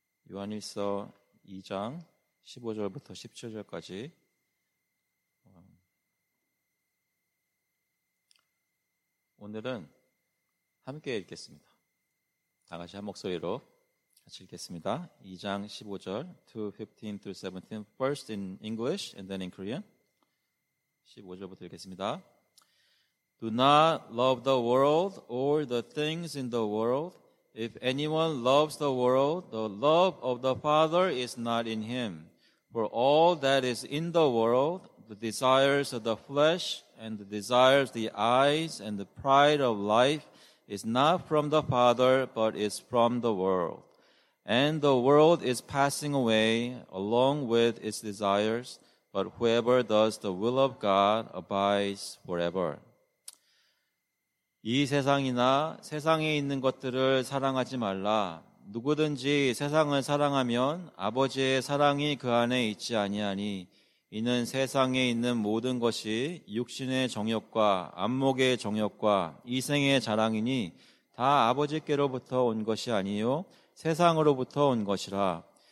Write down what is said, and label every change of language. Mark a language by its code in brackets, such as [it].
[ko] 요한일서 2장 15절부터 17절까지 오늘은 함께 읽겠습니다. 다 같이 한 목소리로 같이 읽겠습니다. 2장 15절, [en] 2:15 through 17, first in English and then in Korean. [ko] 15절부터 읽겠습니다. [en] Do not love the world or the things in the world. If anyone loves the world, the love of the Father is not in him. For all that is in the world, the desires of the flesh and the desires of the eyes and the pride of life is not from the Father, but is from the world. And the world is passing away along with its desires, but whoever does the will of God abides forever. [ko] 이 세상이나 세상에 있는 것들을 사랑하지 말라. 누구든지 세상을 사랑하면 아버지의 사랑이 그 안에 있지 아니하니 이는 세상에 있는 모든 것이 육신의 정욕과 안목의 정욕과 이생의 자랑이니 다 아버지께로부터 온 것이 아니요 세상으로부터 온 것이라.